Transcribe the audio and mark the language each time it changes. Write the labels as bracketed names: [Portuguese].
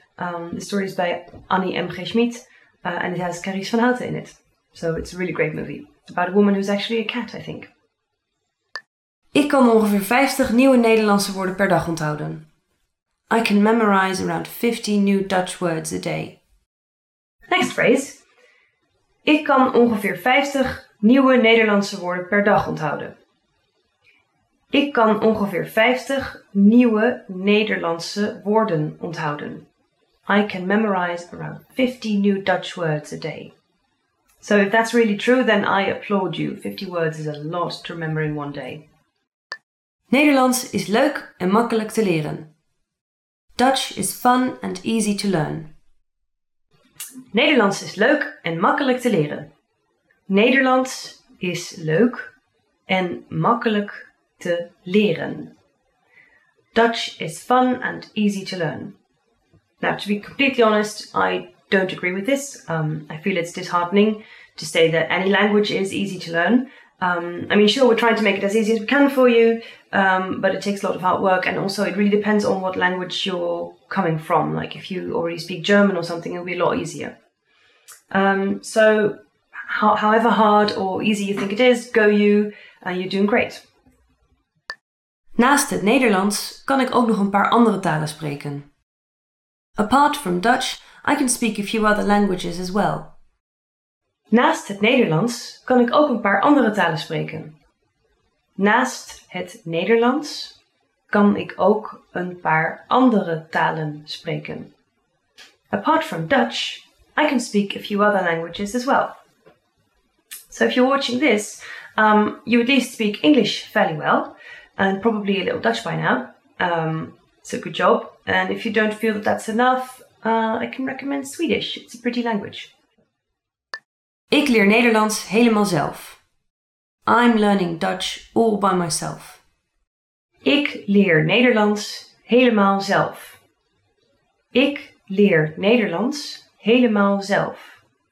[English] The story is by Annie M. G. Schmid, and it has Carice van Houten in it. So it's a really great movie. It's about a woman who's actually a cat, I think. [Dutch] Ik kan ongeveer 50 nieuwe Nederlandse woorden per dag onthouden. [English] I can memorize around 50 new Dutch words a day. Next phrase. [Dutch] Ik kan ongeveer 50 nieuwe Nederlandse woorden per dag onthouden. Ik kan ongeveer 50 nieuwe Nederlandse woorden onthouden. [English] I can memorize around 50 new Dutch words a day. So if that's really true, then I applaud you. 50 words is a lot to remember in one day. [Dutch] Nederlands is leuk en makkelijk te leren. [English] Dutch is fun and easy to learn. [Dutch] Nederlands is leuk en makkelijk te leren. Nederlands is leuk en makkelijk te leren. [English] Dutch is fun and easy to learn. Now, to be completely honest, I don't agree with this. I feel it's disheartening to say that any language is easy to learn. I mean, sure, we're trying to make it as easy as we can for you, but it takes a lot of hard work, and also it really depends on what language you're coming from. Like, if you already speak German or something, it'll be a lot easier. However hard or easy you think it is, go you, and you're doing great. [Dutch] Naast het Nederlands kan ik ook nog een paar andere talen spreken. [English] Apart from Dutch, I can speak a few other languages as well. [Dutch] Naast het Nederlands kan ik ook een paar andere talen spreken. Naast het Nederlands, kan ik ook een paar andere talen spreken. [English] Apart from Dutch, I can speak a few other languages as well. So if you're watching this, you at least speak English fairly well, and probably a little Dutch by now. So good job. And if you don't feel that that's enough, I can recommend Swedish. It's a pretty language. [Dutch] Ik leer Nederlands helemaal zelf. [English] I'm learning Dutch all by myself. [Dutch] Ik leer Nederlands helemaal zelf. Ik leer Nederlands helemaal zelf.